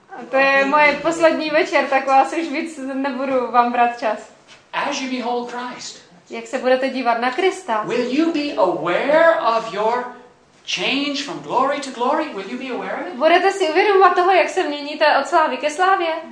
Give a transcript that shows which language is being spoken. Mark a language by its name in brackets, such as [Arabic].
[Czech] To je moje poslední večer, tak vás už víc nebudu vám brát čas. [English] As you behold Christ, [Czech] jak se budete dívat na Krista? [English] Will you be aware of your change from glory to glory? Will you be aware of it? [Czech] Budete si uvědomovat toho, jak se měníte od slávy ke slávě?